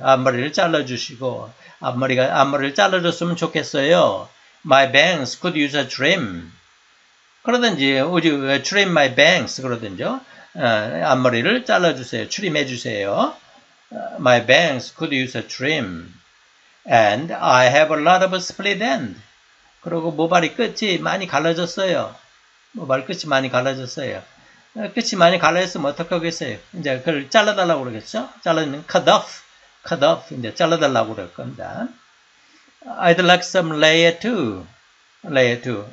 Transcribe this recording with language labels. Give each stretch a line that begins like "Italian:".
Korean: 앞머리를 잘라주시고 앞머리가 앞머리를 잘라줬으면 좋겠어요.
English: My bangs could use a trim.
Korean: 그러든지
English: would you trim my bangs?
Korean: 그러든지 앞머리를 잘라주세요.
English: trim
Korean: 해주세요.
English: My bangs could use a trim. And I have a lot of split end.
Korean: 그리고 모발이 끝이 많이 갈라졌어요. 모발 끝이 많이 갈라졌어요. 끝이 많이 갈라졌으면 어떡하겠어요? 이제 그걸 잘라달라고 그러겠죠? 잘라는
English: cut off. Cut off.
Korean: 이제 잘라달라고 그럴 겁니다.
English: I'd like some layer too. Layer too.